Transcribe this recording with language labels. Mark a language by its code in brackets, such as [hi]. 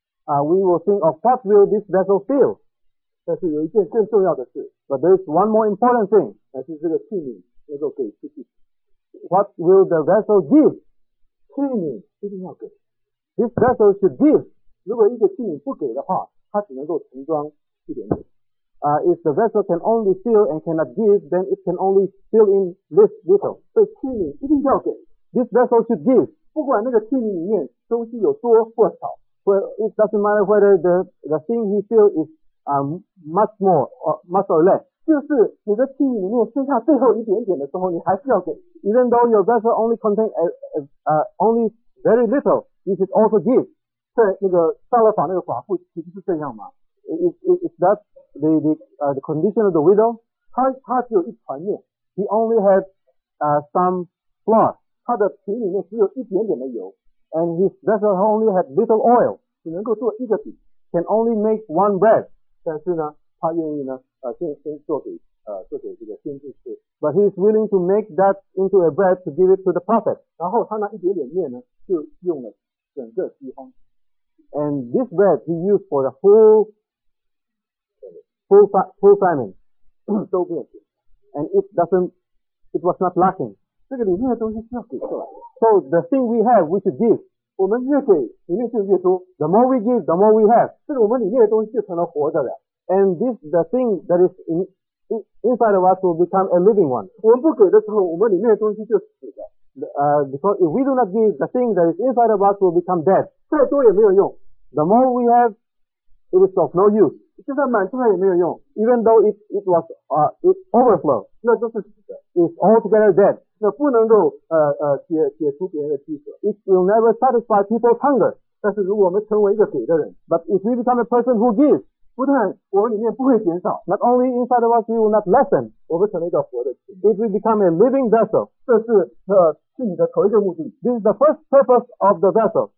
[en] We will think of what will this vessel fill. [zh] 但是有一件更重要的事 [en] But there is one more important thing. [zh] 但是这个器皿, 要做给, [en] what will the vessel give? [zh] 器皿, [en] this vessel should give. [zh] 如果一个器皿不给的话, 它只能够盛装, [en] if the vessel can only fill and cannot give, then it can only fill in this little. This vessel should give. [zh] 不管那个器皿里面东西有多或少, [en] well, it doesn't matter whether the thing he fills is much more or much or less. [zh] 就是你的器皿里面剩下最后一点点的时候，你还是要给。 [en] Even though your vessel only contains only very little, you should also give. [zh] 在那个撒勒法那个寡妇其实是这样吗？ [en] Is that the condition of the widow? [zh] 她只有一团面。 [en] He only had some flour. [zh] 她的瓶里面只有一点点的油。 [en] And his vessel only had little oil. [zh] 只能够做一个饼。 [en] Can only make one bread. [zh] 但是呢, 她愿意呢, 先做给, 做给这个先知吃。 [en] But he is willing to make that into a bread to give it to the prophet. [zh] 然后他那一点点面呢, 就用了整个饥荒。 [en] And this bread he used for the full famine. [zh] 都变成。 [en] And it was not lacking. [zh] 这个里面的东西是要给出来。 [en] So the thing we have, we should give. [zh] 我们越给里面就越多。 [en] The more we give, the more we have. [zh] 这个我们里面的东西就成了活着的。 [en] And this, the thing that is inside of us will become a living one. [zh] 我们不给的时候，我们里面的东西就死的。 [en] Because if we do not give, the thing that is inside of us will become dead. [zh] 再多也没有用。 [en] The more we have, it is of no use. [zh] 就算满出来也没有用。 [en] Even though it was it overflow. [zh] 那都是死的。 [en] It's altogether dead. [zh] 那不能够解除别人的饥渴。 [en] It will never satisfy people's hunger. [zh] 但是如果我们成为一个给的人。 [en] But if we become a person who gives, [zh] 不但我们里面不会减少, [en] not only inside of us we will not lessen, [zh] 我们成为一个活的器皿, [en] if we become a living vessel, [zh] 这是你的头一个目的, [en] this is the first purpose of the vessel,